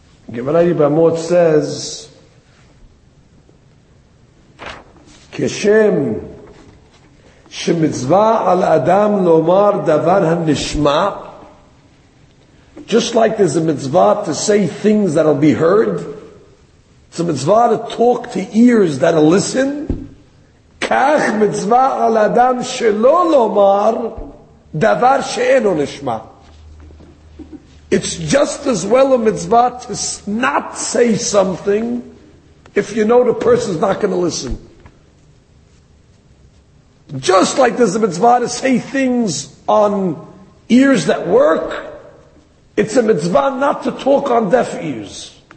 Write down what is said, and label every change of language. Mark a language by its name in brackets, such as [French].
[English] Gemara in Yevamot says, [Hebrew] Keshem Shemitzvah al Adam lomar davar hanishma. [English] Just like there's a mitzvah to say things that'll be heard, it's a mitzvah to talk to ears that'll listen. [Hebrew] כך מצווה על אדם שלא לומר דבר שאינו נשמע. [English] It's just as well a mitzvah to not say something if you know the person's not going to listen. Just like there's a mitzvah to say things on ears that work, it's a mitzvah not to talk on deaf ears.